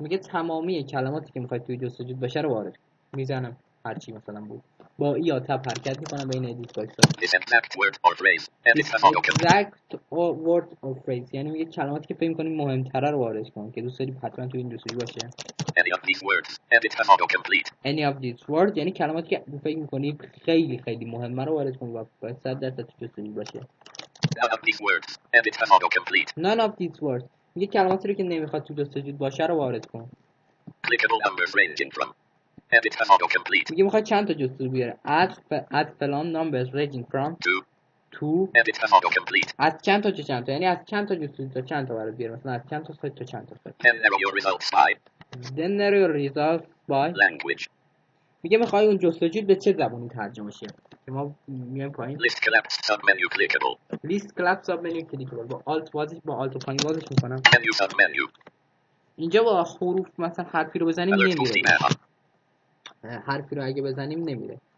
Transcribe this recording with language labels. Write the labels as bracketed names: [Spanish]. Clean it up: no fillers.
[Persian] میگه تمامی کلماتی که میخواید توی جستجو بشه رو وارد. میزنم. هرچی مثلا بود. با ای یا تب حرکت میکنم به این ادیت باکس. [English] This exact word or phrase. Edit has auto complete. Exact word or phrase. [Persian] یعنی میگه کلماتی که فکر میکنیم مهمتره رو وارد کن. که دوست داری حتما توی این جستجو باشه. [English] Any of these words, edit has auto complete. Any of these words, [Persian] یعنی کلماتی که فکر می‌کنی خیلی خیلی مهمه رو وارد کن و باید 100% توی باشه. [English] None of these words, edit has auto complete. None of these words, [Persian] یه کلماتی رو که نمیخواد تو جستجو باشه رو وارد کن. [English] Clickable numbers ranging from, edit has auto complete. [Persian] میگه میخواد چند تا جستجو بیاره. [English] Add [Persian] فلان [English] numbers ranging from two. Edit has auto complete. [Persian] از چند تا چه چند تا؟ یعنی از چند تا جستجو تا چند تا وارد بیاره. مثلا از چند تا سایت تا چند تا سایت. [English] Then narrow your results by. Then narrow your results by language. [Persian] میگه میخوای اون جستجو به چه زبانی ترجمه شه؟ که ما میایم پایین. [English] List collapse submenu clickable. List collapse submenu clickable. [Persian] با alt واسش با alt پایین واسش میکنم. [English] Menu submenu. [Persian] اینجا با حروف مثلا حرفی رو بزنیم نمیره. حرفی رو اگه بزنیم نمیره.